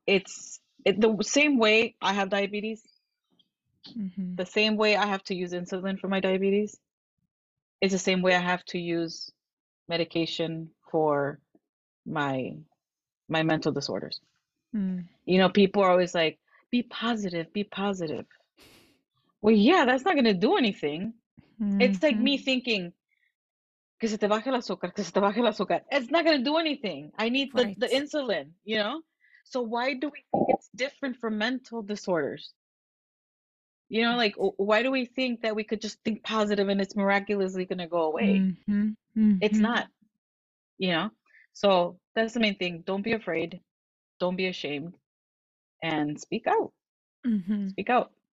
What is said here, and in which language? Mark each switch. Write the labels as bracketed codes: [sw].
[en] It's the same way I have diabetes. The same way I have to use insulin for my diabetes. It's the same way I have to use medication for my mental disorders. You know, people are always like, be positive, be positive. Well, yeah, that's not going to do anything. It's like me thinking, [es] que se te baje el azúcar, que se te baje el azúcar. [en] It's not going to do anything. I need the insulin, you know? So why do we think it's different from mental disorders? You know, like, why do we think that we could just think positive and it's miraculously going to go away? It's not, you know? So that's the main thing. Don't be afraid. Don't be ashamed. And speak out. Speak out.